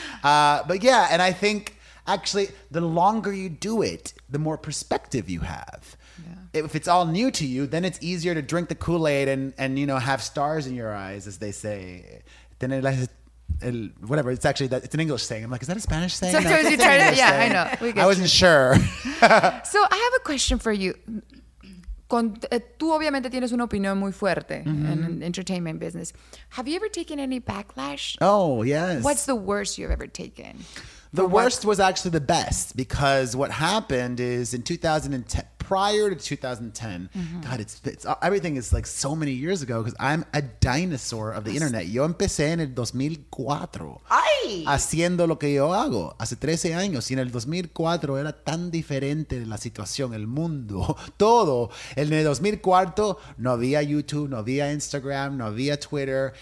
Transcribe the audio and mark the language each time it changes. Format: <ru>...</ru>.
<en>But yeah, and I think actually the longer you do it, the more perspective you have. If it's all new to you, then it's easier to drink the Kool-Aid and you know, have stars in your eyes, as they say. Then whatever, it's actually, it's an English saying. I'm like, is that a Spanish saying? Sometimes you try to, yeah, saying. I know. We get I wasn't you. Sure. So I have a question for you.</en> <es>Tú obviamente tienes una opinión muy fuerte</es> <en>in entertainment business. Have you ever taken any backlash? Oh, yes. What's the worst you've ever taken? The worst was actually the best, because what happened is in 2010, prior to 2010, God, it's everything is like so many years ago, because I'm a dinosaur of the internet.</en> <es>Yo empecé en el 2004. ¡Ay! Haciendo lo que yo hago hace 13 años. Y en el 2004 era tan diferente la situación, el mundo, todo. En el 2004 no había YouTube, no había Instagram, no había Twitter.</es>